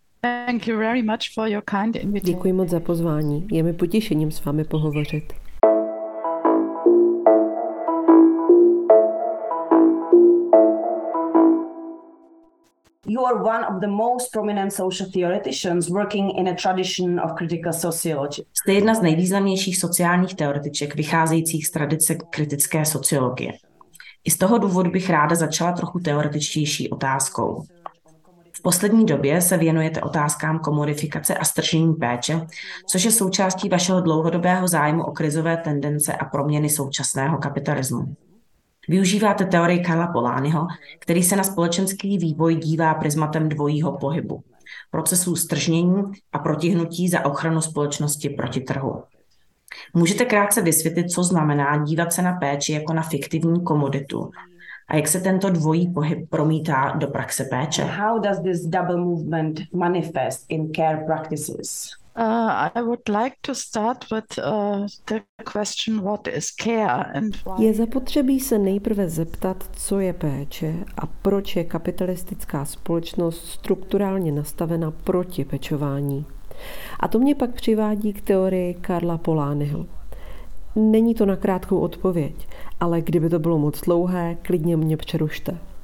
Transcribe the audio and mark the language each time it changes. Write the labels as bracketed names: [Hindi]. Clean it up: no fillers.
[English] Thank you very much for your kind invitation. [Czech] Děkuji moc za pozvání. Je mi potěšením s vámi pohovořit. [English] You are one of the most prominent social theoreticians working in a tradition of critical sociology. [Czech] Jste jedna z nejvýznamnějších sociálních teoretiček vycházejících z tradice kritické sociologie. I z toho důvodu bych ráda začala trochu teoretičtější otázkou. V poslední době se věnujete otázkám komodifikace a stržení péče, což je součástí vašeho dlouhodobého zájmu o krizové tendence a proměny současného kapitalismu. Využíváte teorii Karla Polányho, který se na společenský vývoj dívá prismatem dvojího pohybu, procesů stržnění a protihnutí za ochranu společnosti proti trhu. Můžete krátce vysvětlit, co znamená dívat se na péči jako na fiktivní komoditu a jak se tento dvojí pohyb promítá do praxe péče? [English] How does this double movement manifest in care practices? I would like to start with the question what is care and why. [Czech] Je zapotřebí se nejprve zeptat, co je péče a proč je kapitalistická společnost strukturálně nastavena proti pečování. A to mě pak přivádí k teorii Karla Polányho. Není to na krátkou odpověď, ale kdyby to bylo moc dlouhé, klidně mě přerušte.